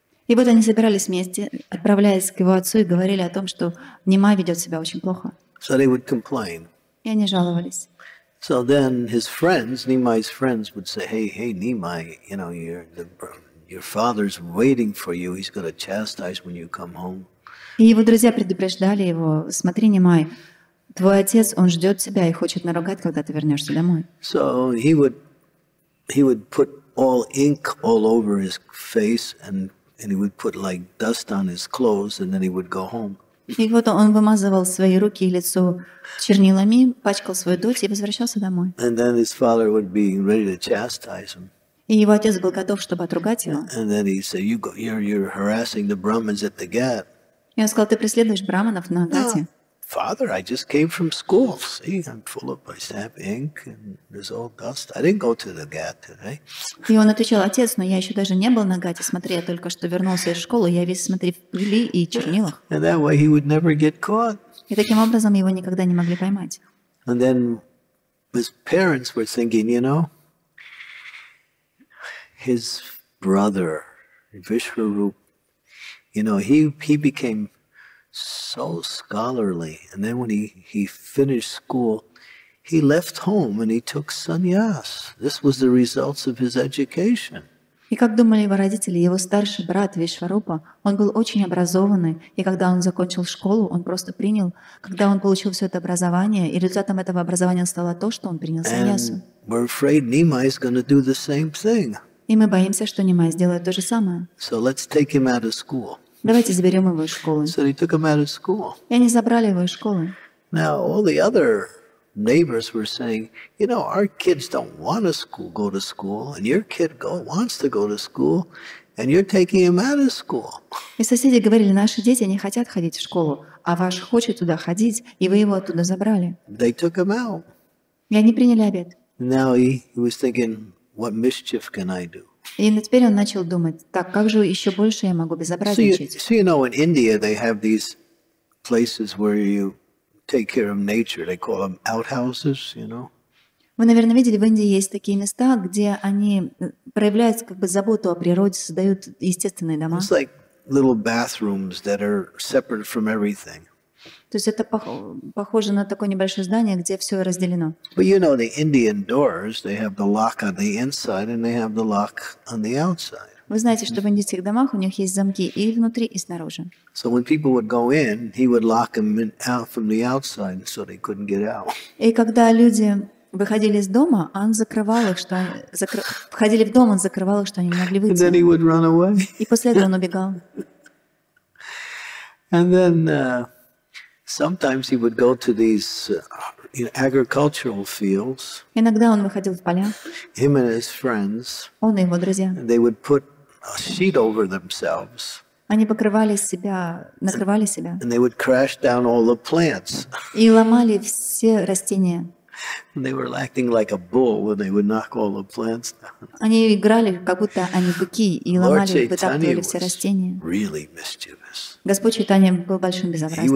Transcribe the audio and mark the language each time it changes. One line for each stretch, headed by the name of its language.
Russian: И вот они собирались вместе, отправляясь к его отцу, и говорили о том, что Нимай ведет себя очень плохо.
English: So they would complain.
Russian: И они жаловались.
English: So then his friends, Nimai's friends, would say, hey, Nimai, you know, your father's waiting for you. He's going to chastise when you come home.
Russian: И его друзья предупреждали его, смотри, Нимай, твой отец, он ждет тебя и хочет наругать, когда ты вернешься домой.
English: So he would put all ink all over his face and he would put like dust on his clothes and then he would go home.
Russian: И вот он вымазывал свои руки и лицо чернилами, пачкал свою дочь и возвращался домой.
English: And then his father would be ready to chastise him.
Russian: И его отец был готов, чтобы отругать его.
English: And then he said, you're harassing the Brahmins at the gate.
Russian: И он сказал, ты преследуешь браманов на гате.
English: Father, I just came from school. See, I'm full of my stamp ink and there's all dust. I didn't go to the gate today.
Russian: И он отвечал, отец, но я еще даже не был на гате, смотри, я только что вернулся из школы, я весь смотри в пыли и чернилах.
English: And that way he would never get caught.
Russian: И таким образом его никогда не могли поймать.
English: And then his parents were thinking, you know, his brother, Vishwarup, you know, he became so scholarly, and then when he finished school, he left home and he took sannyas. This was the results of his education.
Russian: И как думали его родители, его старший брат Вишварупа, он был очень образованный, и когда он закончил школу, он просто принял, когда он получил все это образование, и результатом этого образования стало то, что он принял саньясу.
English: And we're afraid Nimai is going to do the same thing.
Russian: И мы боимся, что Нимай сделает то же самое.
English: So let's take him out of school.
Russian: Давайте заберем его из школы.
English: So they took him out of school.
Russian: И они забрали его из школы.
English: Now all the other neighbors were saying, you know, our kids don't want to go to school, and your kid wants to go to school, and you're taking him out of school.
Russian: И соседи говорили, наши дети не хотят ходить в школу, а ваш хочет туда ходить, и вы его оттуда забрали.
English: They took him out.
Russian: И они приняли обед.
English: Now he was thinking, what mischief can I do?
Russian: И теперь он начал думать, так, как же еще больше я могу безобразничать?
English: So you know, in India they have these places where you take care of nature. They call them outhouses, you know?
Russian: Вы, наверное, видели, в Индии есть такие места, где они проявляют как бы заботу о природе, создают естественные дома.
English: It's like little bathrooms that are separate from everything.
Russian: То есть это похоже на такое небольшое здание, где все разделено.
English: But you know, the Indian doors, they have the lock on the inside and they have the lock on the outside.
Russian: Вы знаете, что в индийских домах у них есть замки и внутри, и снаружи.
English: So when people would go in, he would lock them out from the outside so they couldn't get out.
Russian: И когда люди выходили из дома, он закрывал их, что входили в дом, он закрывал их, что они не могли выйти.
English: And then he would run away.
Russian: И после этого он убегал.
English: And then sometimes he would go to these agricultural fields.
Russian: Иногда он выходил в поля.
English: Him and his friends.
Russian: Он и его друзья.
English: And they would put a sheet over themselves.
Russian: Они покрывали себя, накрывали себя.
English: And they would crash down all the plants.
Russian: И ломали все растения.
English: They were acting like a bull when they would knock all the plants down.
Russian: Они играли, как будто они быки, и ломали, вытаптывали все растения.
English: Really mischievous.
Russian: Господь Чайтанья был большим безобразником.